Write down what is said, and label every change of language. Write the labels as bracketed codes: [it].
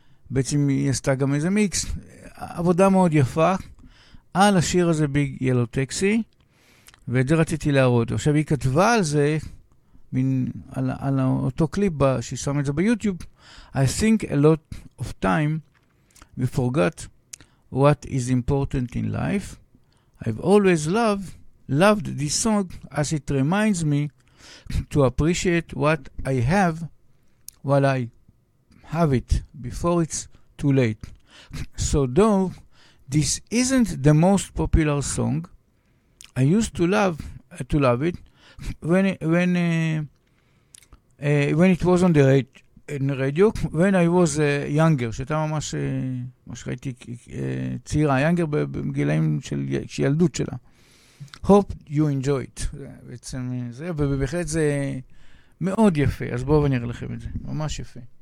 [he] בעצם היא עשתה גם איזה מיקס. עבודה מאוד יפה על השיר הזה ביג ילו טקסי, ואת זה רציתי להראות. עכשיו היא כתבה על זה, על אותו קליפ שהיא שם את זה ביוטיוב, [en] I think a lot of time we forgot what is important in life. I've always loved this song as it reminds me to appreciate what I have while I have it before it's too late. So though this isn't the most popular song, I used to love it when it was on the radio when I was younger. [he] שאתה ממש ראיתי צעירה, younger בגילאים של ילדות שלה. [en] Hope you enjoy it. [he] בעצם זה, ובהחלט זה מאוד יפה. אז בואו אני אראה לכם את זה. ממש יפה.